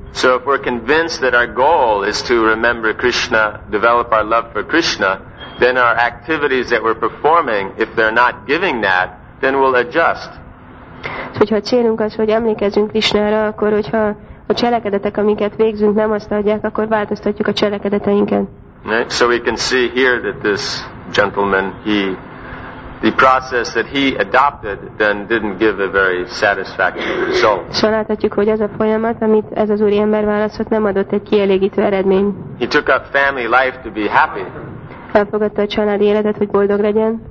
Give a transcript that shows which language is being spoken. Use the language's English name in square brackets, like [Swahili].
[English] So if we're convinced that our goal is to remember Krishna, develop our love for Krishna, then our activities that we're performing, if they're not giving that, then we'll adjust. [Hungarian] Hogyha a célunk az, hogy emlékezzünk Krishnára, akkor hogyha a cselekedetek, amiket végzünk, nem azt adják, akkor változtatjuk a cselekedeteinket. [English] Right? So we can see here that this gentleman, he, the process that he adopted then didn't give a very satisfactory result. [Hungarian] So láthatjuk, hogy ez a folyamat, amit ez az úriember választott, nem adott egy kielégítő eredményt. [English] He took up family life to be happy. [Hungarian] Elfogadta a családi életet, hogy boldog legyen.